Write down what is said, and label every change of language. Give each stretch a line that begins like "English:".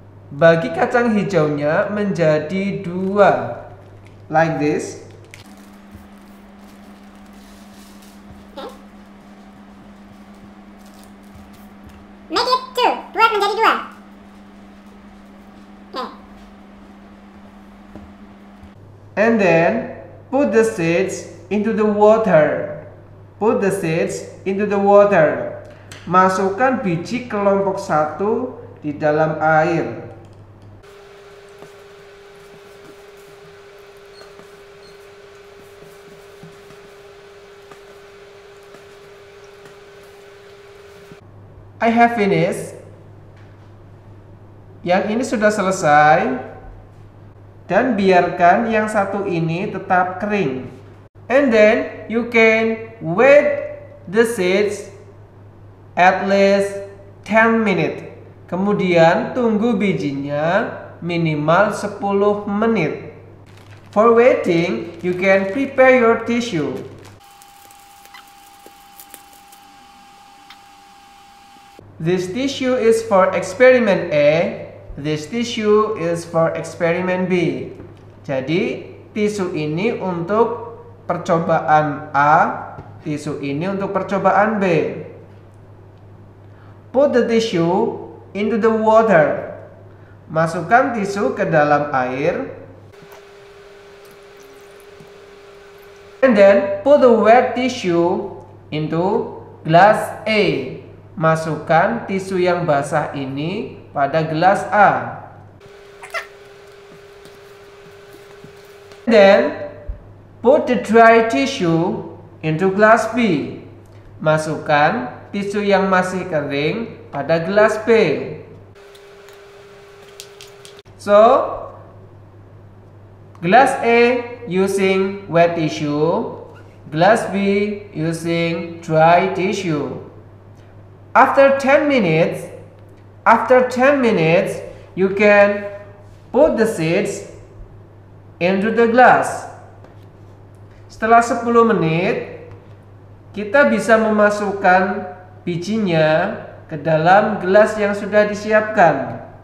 Indonesian: Bagi kacang hijaunya menjadi dua,
English: like this. Okay. Make it two,
Indonesian: buat menjadi dua.
English: Okay. And then put the seeds into the water. Put the seeds into the water.
Indonesian: Masukkan biji kelompok satu di dalam air.
English: I have finished.
Indonesian: Yang ini sudah selesai. Dan biarkan yang satu ini tetap kering.
English: And then you can wait the seeds at least 10 minutes.
Indonesian: Kemudian tunggu bijinya minimal 10 menit.
English: For waiting, you can prepare your tissue. This tissue is for experiment A. This tissue is for experiment B.
Indonesian: Jadi, tisu ini untuk percobaan A, tisu ini untuk percobaan B.
English: Put the tissue into the water.
Indonesian: Masukkan tisu ke dalam air.
English: And then put the wet tissue into glass A.
Indonesian: Masukkan tisu yang basah ini pada gelas A.
English: And then put the dry tissue into glass B.
Indonesian: Masukkan tisu yang masih kering pada gelas B.
English: So, Glass A using wet tissue. Glass B using dry tissue. After 10 minutes, you can put the seeds into the glass.
Indonesian: Setelah 10 menit, kita bisa memasukkan bijinya ke dalam gelas yang sudah disiapkan.